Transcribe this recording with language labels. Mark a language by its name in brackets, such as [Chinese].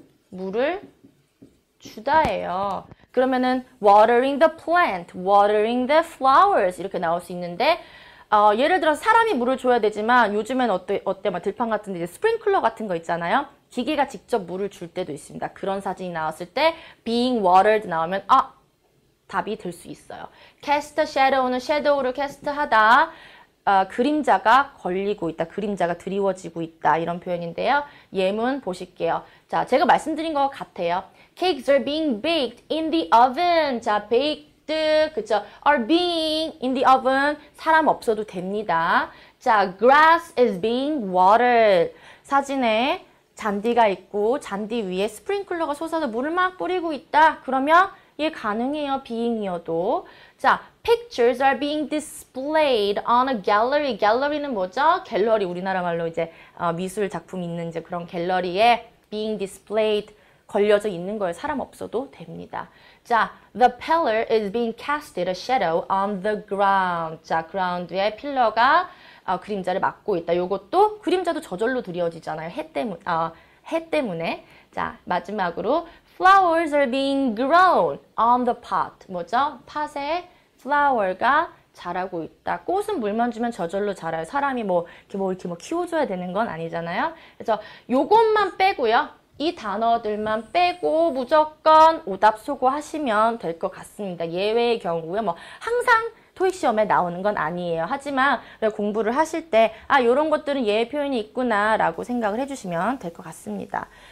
[Korean] 물을 주다예요. 그러면은 [English] watering the plant, watering the flowers [Korean] 이렇게 나올 수 있는데 예를 들어서 사람이 물을 줘야 되지만 요즘엔 어때 막 들판 같은 데 이제 스프링클러 같은 거 있잖아요. 기계가 직접 물을 줄 때도 있습니다. 그런 사진이 나왔을 때 being watered 나오면 답이 될수 있어요. Cast a shadow는 shadow를 cast 하다. 그림자가 걸리고 있다. 그림자가 드리워지고 있다. 이런 표현인데요. 예문 보실게요. 자, 제가 말씀드린 것 같아요. [English] Cakes are being baked in the oven. 자, baked, 그쵸? Are being in the oven. [Korean] 사람 없어도 됩니다. [English] 자, grass is being watered. [Korean] 사진에 잔디가 있고 잔디 위에 스프링클러가 솟아서 물을 막 뿌리고 있다. 그러면 얘 가능해요. being이어도. [English] 자, pictures are being displayed on a gallery. [Korean] gallery는 뭐죠? 갤러리. 우리나라 말로 이제 미술 작품 있는 이제 그런 갤러리에 being displayed 걸려져 있는 거예요. 사람 없어도 됩니다. [English] 자, the pillar is being casted a shadow on the ground. [Korean] 자, 그라운드에 필러가 그림자를 막고 있다. 요것도 그림자도 저절로 드리워지잖아요. 해 때문에. 자, 마지막으로 [English] flowers are being grown on the pot. [Korean] 뭐죠? 팟에 flower가 자라고 있다. 꽃은 물만 주면 저절로 자라요. 사람이 뭐 이렇게 키워줘야 되는 건 아니잖아요. 그래서 요것만 빼고요. 이 단어들만 빼고 무조건 오답 소거 하시면 될것 같습니다. 예외의 경우요. 뭐 항상 토익 시험에 나오는 건 아니에요. 하지만 공부를 하실 때, 아, 요런 것들은 예외 표현이 있구나라고 생각을 해주시면 될것 같습니다.